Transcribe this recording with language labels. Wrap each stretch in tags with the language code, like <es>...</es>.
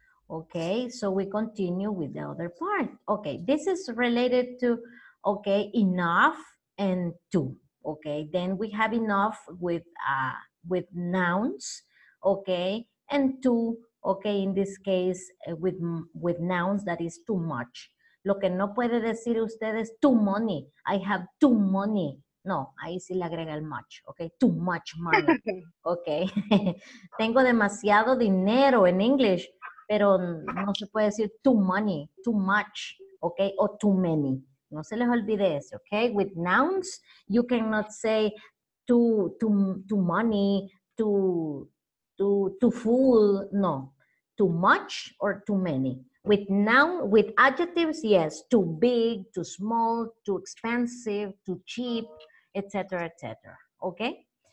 <en>Okay, so we continue with the other part. Okay, this is related to, okay, enough and too. Okay, then we have enough with nouns, okay, and too, okay, in this case, with nouns, that is too much.</en> <es>Lo que no puede decir usted es</es> <en>too money. I have too money.</en> <es>No, ahí sí le agrega el much, okay?</es> <en>Too much money,</en> <es>okay? Tengo demasiado dinero en English. Pero no se puede decir</es> <en>too money, too much,</en> <es>okay, o</es> <en>too many.</en> <es>No se les olvide eso, okay?</es> <en>With nouns, you cannot say too money, too full, no. Too much or too many. With noun, with adjectives, yes, too big, too small, too expensive, too cheap, etc., etc., okay?</en>